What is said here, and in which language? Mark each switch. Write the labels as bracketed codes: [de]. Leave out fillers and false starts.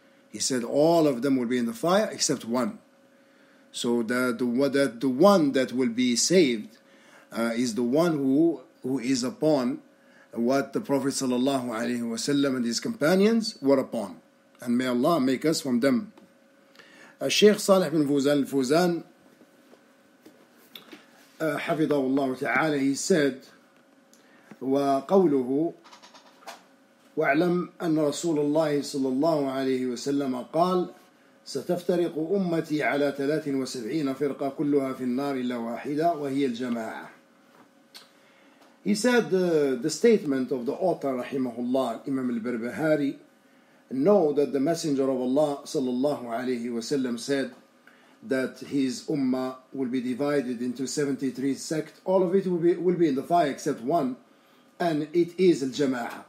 [en] He said all of them will be in the fire except one. So the one that will be saved is the one who is upon what the Prophet sallallahu alaihi wasallam and his companions were upon. And may Allah make us from them. [ar] الشيخ صالح بن فوزان الفوزان حفظه الله تعالى [en] he said [ar] وقوله واعلم أن رسول الله صلى الله عليه وسلم قال ستفترق أمتي على 73 فرقة كلها في النار إلا واحدة وهي الجماعة. [en] He said the statement of the author [ar] رحمه الله الإمام البربهاري, [en] know that the Messenger of Allah sallallahu alayhi wa sallam said that his ummah will be divided into 73 sects. All of it will be in the fire except one, and it is al-jama'ah.